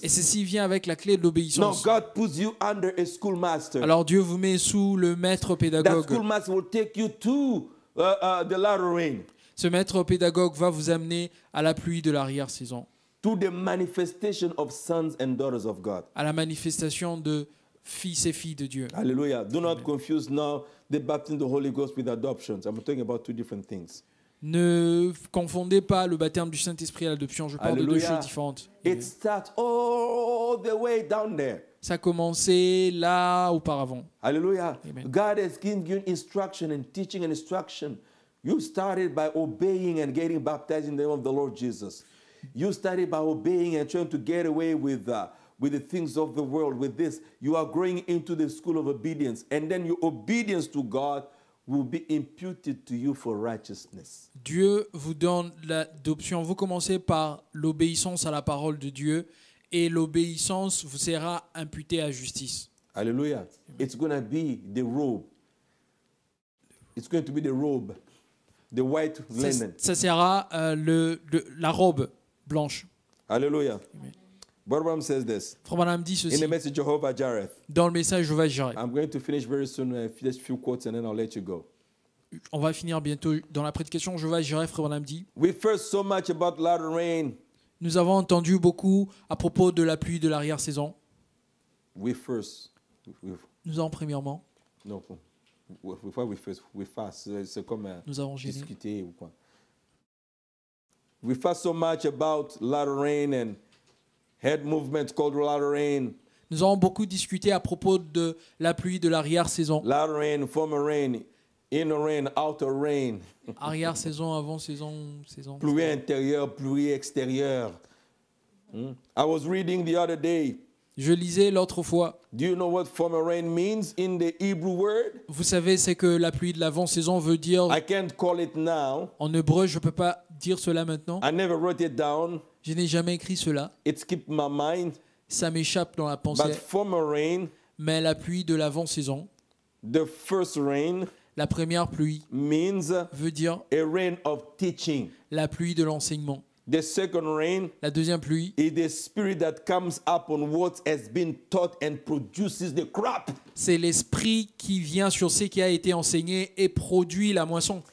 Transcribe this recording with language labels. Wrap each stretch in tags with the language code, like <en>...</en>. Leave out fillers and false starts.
<fr>Et ceci vient avec la clé de l'obéissance.</fr> <en>Now God puts you under a schoolmaster.</en> <fr>Alors Dieu vous met sous le maître pédagogue.</fr> <en>That schoolmaster will take you to the latter rain.</en> <fr>Ce maître pédagogue va vous amener à la pluie de l'arrière saison.</fr> <en>To the manifestation of sons and daughters of God.</en> <fr>À la manifestation de fils et filles de Dieu.</fr> <en>Hallelujah. Do not confuse now the baptism of the Holy Ghost with adoptions. I'm talking about two different things.</en> <fr>Ne confondez pas le baptême du Saint-Esprit à l'adoption. Je parle</fr> <en>Hallelujah.</en> <fr>De deux choses différentes.</fr> <en>It starts all the way down there.</en> <fr>Ça a commencé là auparavant.</fr> <en>Hallelujah. God has given you instruction and teaching and instruction. You started by obeying and getting baptized in the name of the Lord Jesus. You started by obeying and trying to get away with the things of the world, with this. You are growing into the school of obedience. And then your obedience to God will be imputed to you for righteousness.</en> <fr>Dieu vous donne l'adoption. Vous commencez par l'obéissance à la parole de Dieu et l'obéissance vous sera imputée à justice.</fr> <en>Alléluia. It's going to be the robe. It's going to be the robe. The white linen.</en> <fr>Ça sera la robe blanche.</fr> <en>Alléluia. Barbaram says this.</en> <fr>Barbaram dit ceci.</fr> <en>In the message of Jehovah Jireh.</en> <fr>Dans le message de Jehovah Jireh.</fr> <en>I'm going to finish very soon, finish few quotes and then I'll let you go.</en> <fr>On va finir bientôt dans la prédication Jehovah Jireh, Barbaram dit.</fr> <en>We first so much about latter rain.</en> <fr>Nous avons entendu beaucoup à propos de la pluie de l'arrière saison.</fr> <en>We first.</en> <fr>Nous avons premièrement. Non. Pourquoi</fr> <en>we fast?</en> <fr>C'est comme nous avons discuté ou quoi.</fr> <en>We fast so much about latter rain and head movement called latter rain.</en> <fr>Nous avons beaucoup discuté à propos de la pluie de l'arrière saison.</fr> <en>Latter rain, former rain, inner rain, outer rain.</en> <fr>Arrière saison, avant saison, saison. Pluie intérieure, pluie extérieure.</fr> <en>I was reading the other day.</en> <fr>Je lisais l'autre fois.</fr> <en>Do you know what former rain means in the Hebrew word?</en> <fr>Vous savez ce que la pluie de l'avant saison veut dire?</fr> <en>I can't call it now.</en> <fr>En hébreu, je peux pas dire cela maintenant.</fr> <en>I never wrote it down.</en> <fr>Je n'ai jamais écrit cela.</fr> <en>It skipped my mind.</en> <fr>Ça m'échappe dans la pensée.</fr> <en>But former rain,</en> <fr>mais la pluie de l'avant saison,</fr> <en>the first rain,</en> <fr>la première pluie,</fr> <en>means</en> <fr>veut dire</fr> <en>a rain of teaching,</en> <fr>la pluie de l'enseignement.</fr> <en>The second rain,</en> <fr>la deuxième pluie,</fr> <en>is the spirit that comes upon what has been taught and produces the crop.</en> <fr>C'est l'esprit qui vient sur ce qui a été enseigné et produit la moisson.</fr>